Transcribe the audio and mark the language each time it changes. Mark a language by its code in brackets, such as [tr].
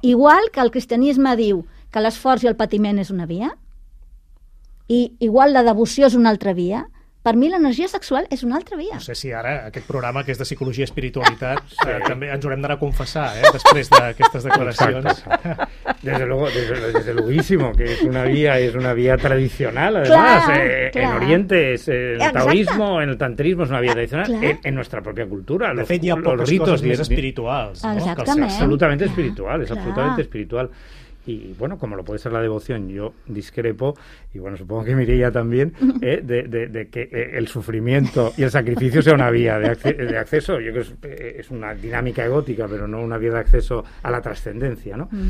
[ca] Igual que el cristianisme diu que l'esforç i el patiment és una via, i igual la devoció és una altra via, per mi l'energia sexual és una altra via. No sé si ara aquest programa, que és de psicologia i espiritualitat, sí. També ens haurem d'anar a confessar, després d'aquestes declaracions. [es] Desde luego, [ca] que és una via tradicional, además. [es] En Oriente, en el taoísmo, en el tantrismo, [ca] és una via tradicional. [es] En nuestra propia cultura. [ca] De fet, hi ha poques coses més espirituals. Exactament. No? Absolutament espiritual, és absolutament espiritual. [es] Y bueno, como lo puede ser la devoción, yo discrepo, y bueno, supongo que Mireia también, de que el sufrimiento y el sacrificio sea una vía de acceso. Yo creo que es una dinámica egótica, pero no una vía de acceso a la trascendencia, ¿no?